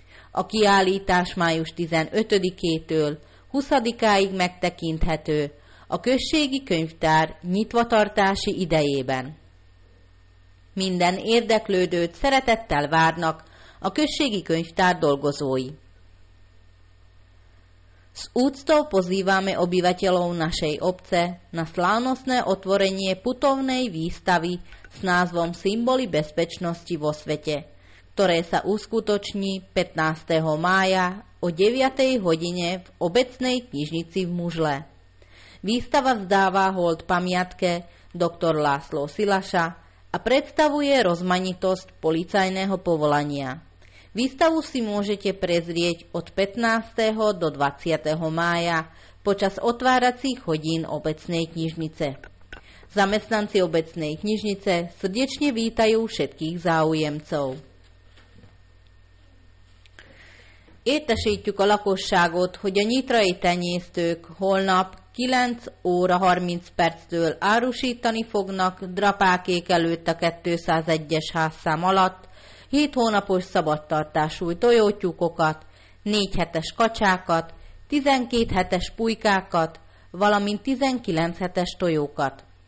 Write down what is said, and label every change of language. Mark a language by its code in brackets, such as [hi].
[hu] A kiállítás május 15-től 20-áig megtekinthető a Községi Könyvtár nyitvatartási idejében. Minden érdeklődőt szeretettel várnak a Községi Könyvtár dolgozói. [sk] S úctou pozývame obyvateľov našej obce na slávnostné otvorenie putovnej výstavy s názvom Symboly bezpečnosti vo svete, ktoré sa uskutoční 15. mája o 9. hodine v obecnej knižnici v Mužle. Výstava vzdáva hold pamiatke dr. László Szilasa a predstavuje rozmanitosť policajného povolania. Výstavu si môžete prezrieť od 15. do 20. mája počas otváracích hodín obecnej knižnice. Zamestnanci obecnej knižnice srdečne vítajú všetkých záujemcov. [hu] Értesítjük a lakosságot, hogy a nyitrai tenyésztők holnap 9 óra 30 perctől árusítani fognak drapákék előtt a 201-es házszám alatt 7 hónapos szabadtartású tojótyúkokat, 4 hetes kacsákat, 12 hetes pulykákat, valamint 19 hetes tojókat.